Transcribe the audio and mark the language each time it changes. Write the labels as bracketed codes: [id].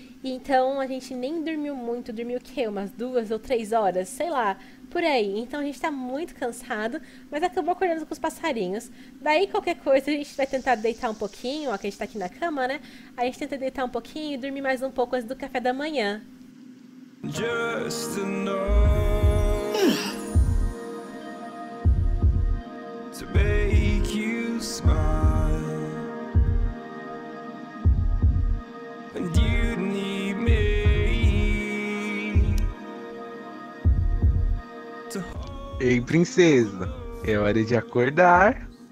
[pt] Então a gente nem dormiu muito, dormiu o quê? Umas 2 ou 3 horas, sei lá, por aí. Então a gente tá muito cansado, mas acabou acordando com os passarinhos. Daí qualquer coisa a gente vai tentar deitar um pouquinho, ó, que a gente tá aqui na cama, né? A gente tenta deitar um pouquinho e dormir mais um pouco antes do café da manhã. [en] Just to know to make you smile, and you need me [pt] Ei, princesa, é hora de acordar.